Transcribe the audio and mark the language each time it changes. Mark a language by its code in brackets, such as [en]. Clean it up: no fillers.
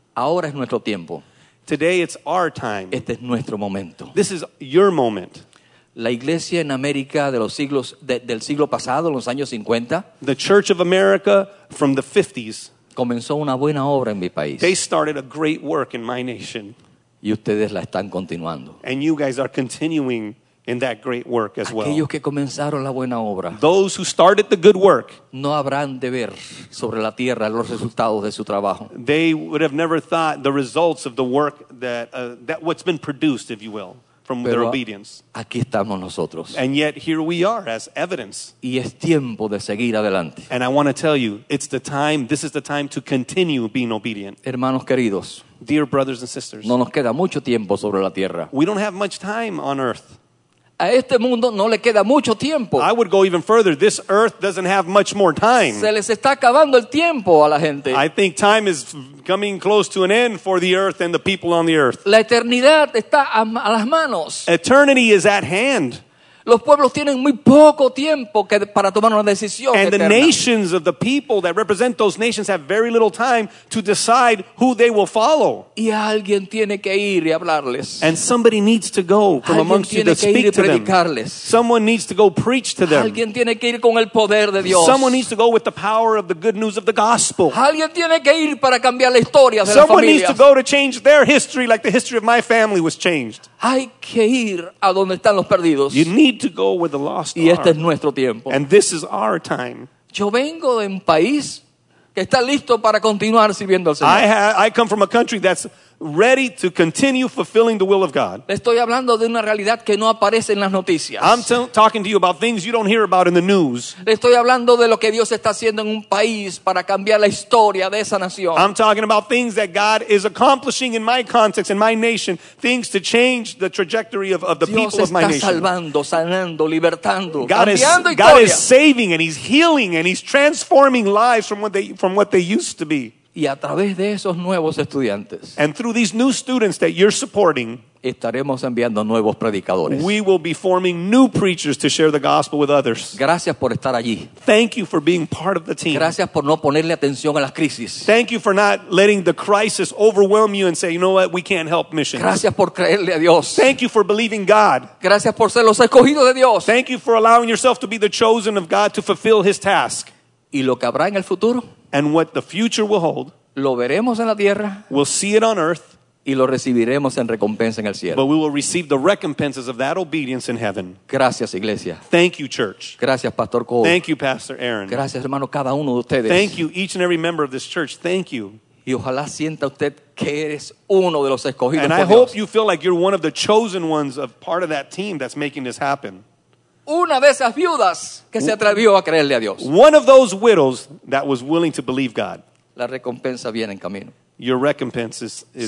[es] Ahora es nuestro tiempo. [en] Today it's our time. [es] Este es nuestro momento. [en] This is your moment. [es] La iglesia en América de los siglos del siglo pasado, los años 50. [en] The Church of America from the 50s. [es] Comenzó una buena obra en mi país. [en] They started a great work in my nation. [es] Y ustedes la están continuando. [en] And you guys are continuing in that great work as well. [es] Aquellos que comenzaron la buena obra, [en] those who started the good work, [es] no habrán de ver sobre la tierra los resultados de su trabajo. [en] They would have never thought the results of the work that that what's been produced, if you will, from [es] Pero [en] their obedience. [es] Aquí estamos nosotros. [en] And yet here we are as evidence. [es] Y es tiempo de seguir adelante. [en] And I want to tell you, it's the time, this is the time to continue being obedient. [es] Hermanos queridos, [en] dear brothers and sisters, [es] no nos queda mucho tiempo sobre la tierra. [en] We don't have much time on earth. [es] A este mundo no le queda mucho tiempo. [en] I would go even further. This earth doesn't have much more time. [es] Se les está acabando el tiempo a la gente. [en] I think time is coming close to an end for the earth and the people on the earth. [es] La eternidad está a las manos. [en] Eternity is at hand. [es] Los pueblos tienen muy poco tiempo que para tomar una decisión [en] And [es] eterna. [en] The nations of the people that represent those nations have very little time to decide who they will follow. [es] Y alguien tiene que ir y hablarles. [en] And somebody needs to go from [es] alguien [en] amongst you to speak to them. Someone needs to go preach to them. [es] Alguien tiene que ir con el poder de Dios. [en] Someone needs to go with the power of the good news of the gospel. [es] Alguien tiene que ir para cambiar la historia de [en] Someone [es] las familias. [en] Needs to go to change their history like the history of my family was changed. [es] Hay que ir a donde están los perdidos. [en] You need to go where the lost [es] y este [en] are. [es] Es nuestro tiempo. [en] And this is our time. [es] Yo vengo de un país que está listo para continuar sirviendo al Señor. [en] I come from a country that's ready to continue fulfilling the will of God. [es] Estoy hablando de una realidad que no aparece en las noticias. [en] I'm talking to you about things you don't hear about in the news. [es] Estoy hablando de lo que Dios está haciendo en un país para cambiar la historia de esa nación. [en] I'm talking about things that God is accomplishing in my context, in my nation, things to change the trajectory of the [es] Dios [en] people of my nation. [es] Dios está salvando, sanando, libertando, [en] God [es] cambiando [en] is, God is saving and he's healing and he's transforming lives from what they used to be. [es] Y a través de esos nuevos estudiantes. [en] And through these new students that you're supporting, [es] estaremos enviando nuevos predicadores. [en] We will be forming new preachers to share the gospel with others. [es] Gracias por estar allí. [en] Thank you for being part of the team. [es] Gracias por no ponerle atención a las crisis. [en] Thank you for not letting the crisis overwhelm you and say, you know what, we can't help missions. [es] Gracias por creerle a Dios. [en] Thank you for believing God. [es] Gracias por ser los escogidos de Dios. [en] Thank you for allowing yourself to be the chosen of God to fulfill his task. [es] Y lo que habrá en el futuro, [en] and what the future will hold, [es] lo veremos en la tierra, [en] we'll see it on earth, [es] y lo recibiremos en recompensa en el cielo. [en] But we will receive the recompenses of that obedience in heaven. [es] Gracias, iglesia. [en] Thank you, church. [es] Gracias, Pastor Cole. [en] Thank you, Pastor Aaron. [es] Gracias, hermano, cada uno de ustedes. [en] Thank you, each and every member of this church. Thank you. [es] Y ojalá sienta usted que eres uno de los escogidos [en] and [es] por [en] I [es] Dios. [en] Hope you feel like you're one of the chosen ones of part of that team that's making this happen. [es] Una de esas viudas que se atrevió a creerle a Dios. [en] One of those widows that was willing to believe God. [es] La recompensa viene en camino. [en] Your recompense is coming.